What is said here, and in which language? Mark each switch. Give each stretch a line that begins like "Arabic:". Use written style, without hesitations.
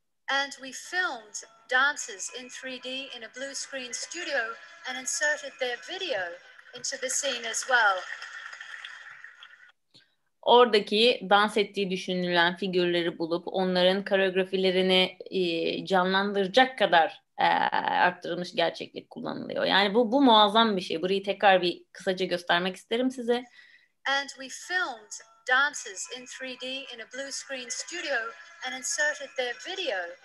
English: And we filmed dancers in 3D in a blue screen studio and inserted their video into the scene as well.
Turkish: Oradaki dans ettiği düşünülen figürleri bulup onların koreografilerini canlandıracak kadar arttırılmış gerçeklik kullanılıyor. Yani bu muazzam bir şey. Burayı tekrar bir kısaca göstermek isterim size.
English: And we filmed dancers in 3D in a blue screen studio and inserted their video